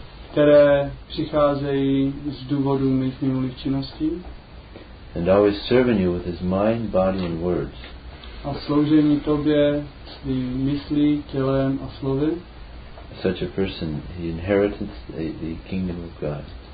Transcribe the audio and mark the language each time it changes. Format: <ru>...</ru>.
<cs>Které přicházejí z důvodu mých minulých činností.</cs> <en>And always serving you with his mind, body and words.</en> <cs>A sloužení tobě svým myslí, tělem a slovy.</cs> <en>Such a person, he inherited the kingdom of God.</en>